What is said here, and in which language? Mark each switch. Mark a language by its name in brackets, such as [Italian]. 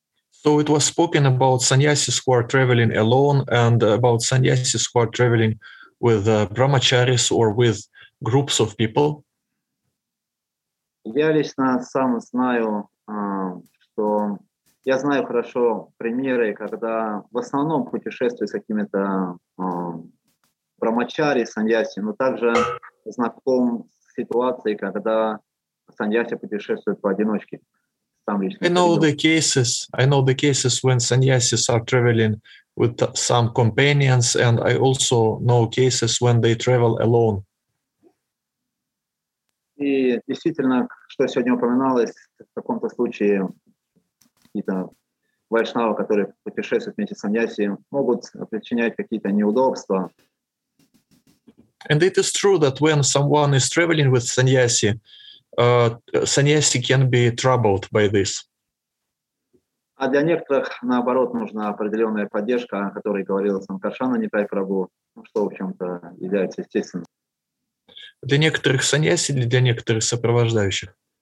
[English] So it was spoken about sannyasis who are traveling alone and about sannyasis who are traveling with brahmacharis or with groups of people. [Russian] Я лично сам знаю, что я знаю хорошо примеры, когда в основном путешествую с какими-то брахмачари, саньяси, но также знаком с ситуацией, когда саньяси путешествуют поодиночке. [English] I know the cases when sannyasis are traveling with some companions, and I also know cases when they travel alone. [Russian] И действительно, что сегодня упоминалось, в каком-то случае какие-то вайшнавы, которые путешествуют вместе с саньяси, могут причинять какие-то неудобства. [English] And it is true that when someone is traveling with sannyasi, sannyasi can be troubled by this. [Russian] А для некоторых, наоборот, нужна определенная поддержка, о которой говорил Санкаршана Нитай Прабу, что, в общем-то, является естественным. Для некоторых саньяси или для некоторых сопровождающих?